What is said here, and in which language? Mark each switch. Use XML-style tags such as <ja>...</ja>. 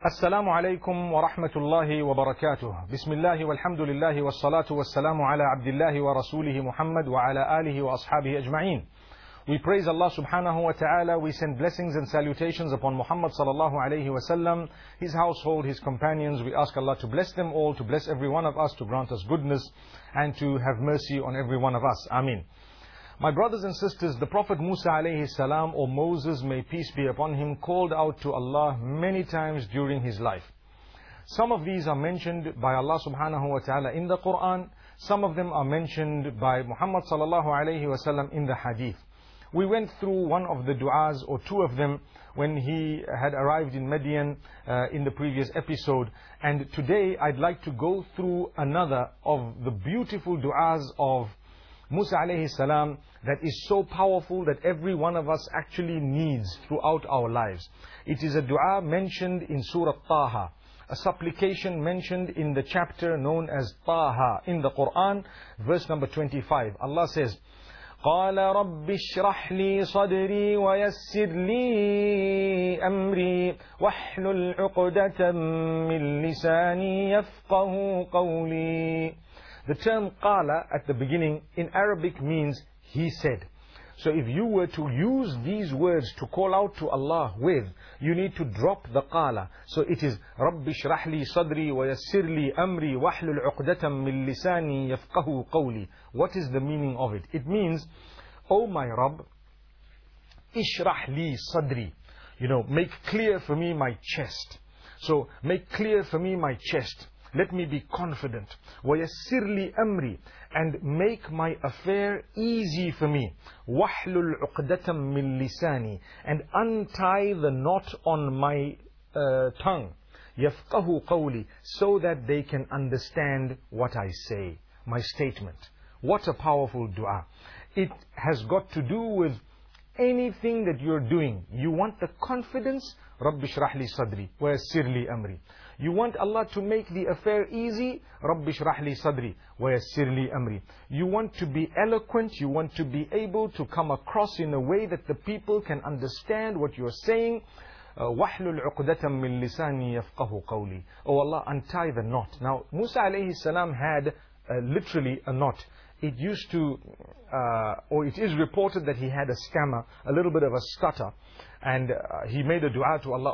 <ar>السلام عليكم ورحمة الله وبركاته. بسم الله والحمد لله والصلاة والسلام على عبد الله ورسوله محمد وعلى آله وأصحابه أجمعين.</ar> <en>We praise Allah subhanahu wa ta'ala. We send blessings and salutations upon Muhammad sallallahu alayhi wa sallam, his household, his companions. We ask Allah to bless them all, to bless every one of us, to grant us goodness, and to have mercy on every one of us. Ameen. My brothers and sisters, the Prophet Musa alayhi salam, or Moses, may peace be upon him, called out to Allah many times during his life. Some of these are mentioned by Allah subhanahu wa ta'ala in the Quran. Some of them are mentioned by Muhammad sallallahu alayhi wa sallam in the hadith. We went through one of the du'as, or two of them, when he had arrived in Madian in the previous episode. And today I'd like to go through another of the beautiful du'as of Musa alayhi salam that is so powerful that every one of us actually needs throughout our lives. It is a du'a mentioned in Surah Taha, a supplication mentioned in the chapter known as Taha in the Quran, verse number 25. Allah says,</en> <ar>قال رب اشرح لي صدري ويسر لي امري واحلل عقدة من لساني يفقه قولي.</ar> <en>The term qala at the beginning in Arabic means he said. So if you were to use these words to call out to Allah with, you need to drop the qala. So it is</en> <ar>رب اشرح لي صدري ويسر لي امري واحلل عقدة من لساني يفقه قولي.</ar> <en>What is the meaning of it? It means, oh my Rabb,</en> <ar>ishrah li sadri.</ar> <en>You know, make clear for me my chest. So make clear for me my chest. Let me be confident.</en> <ar>وَيَسِّرْ لِي أَمْرِي.</ar> <en>And make my affair easy for me.</en> <ar>وَحْلُلْ عُقْدَةً مِنْ لِسَانِي.</ar> <en>And untie the knot on my tongue.</en> <ar>يَفْقَهُ قَوْلِي.</ar> <en>So that they can understand what I say, my statement. What a powerful dua. It has got to do with anything that you're doing. You want the confidence?</en> <ar>رَبِّ شْرَحْ لِي صَدْرِي وَيَسِّرْ لِي أَمْرِي.</ar> <en>You want Allah to make the affair easy?</en> <ar>رَبِّ شْرَحْ لِي صَدْرِي وَيَسِّرْ لِي أَمْرِي.</ar> <en>You want to be eloquent? You want to be able to come across in a way that the people can understand what you're saying?</en> <ar>وَحْلُلْ عُقْدَةً مِّن لِسَانِي يَفْقَهُ قَوْلِي.</ar> <en>Oh Allah, untie the knot. Now, Musa alayhi salam had literally a knot. It used to, or it is reported that he had a stammer, a little bit of a stutter, and he made a dua to Allah.</en>